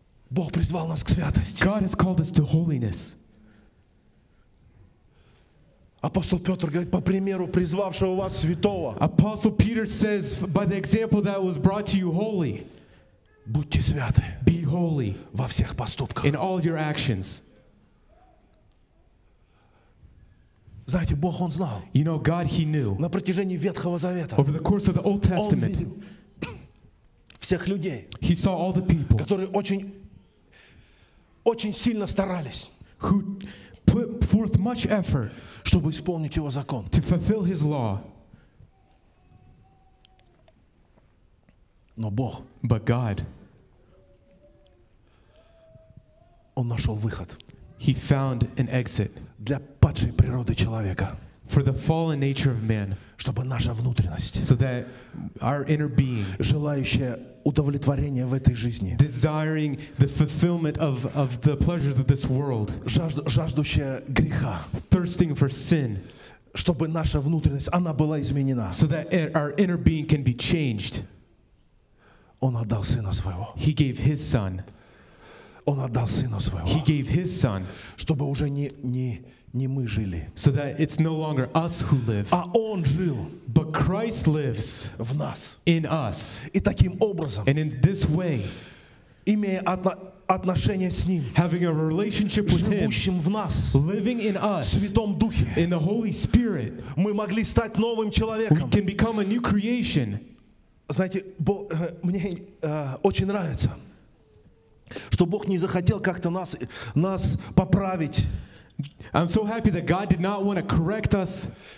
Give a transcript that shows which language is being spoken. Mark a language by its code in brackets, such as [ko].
[ru] Бог призвал нас к святости. [en] God has called us to holiness. [ru] Апостол Петр говорит, по примеру призвавшего вас святого. [en] Apostle Peter says, by the example that was brought to you holy. [ru] Будьте святы. [en] Be holy. [ru] Во всех поступках. [en] In all your actions. [ru] Знаете, Бог Он знал. [en] You know, God, He knew. [ru] На протяжении Ветхого Завета. [en] Over the course of the Old Testament. [ru] Он видел всех людей. [en] He saw all the people. [ru] Которые очень сильно старались. [en] Who put forth much effort. [ru] Чтобы исполнить Его закон. [en] To fulfill His law. [ru] Но Бог. [en] But God. [ru] Он нашел выход. [en] he found an exit. [ru] Для падшей природы человека. [en] For the fallen nature of man. [ru] Чтобы наша внутренность. [en] So that our inner being. [ru] Желающая удовлетворения в этой жизни. [en] Desiring the fulfillment of the pleasures of this world. [ru] Жаждущая греха. [en] Thirsting for sin. [ru] Чтобы наша внутренность, она была изменена. [en] So that our inner being can be changed. [ru] Он отдал сына своего. [en] He gave his son. [ru] Он отдал сына своего. [en] He gave his son. [ru] Чтобы уже не мы жили. [en] So that it's no longer us who live. [ru] А он жил. [en] But Christ lives [ru] в нас. [en] In us. [ru] И таким образом. [en] And in this way. [ru] Имея отношение с ним. [en] Having a relationship with him. [ru] Живущим в нас. [en] Living in us. [ru] В Святом Духе. [en] In the Holy Spirit. [ru] Мы могли стать новым человеком. [en] We can become a new creation. [ru] Знаете, мне очень нравится, что Бог не захотел как-то нас поправить. [en] I'm so happy that God did not want to correct us.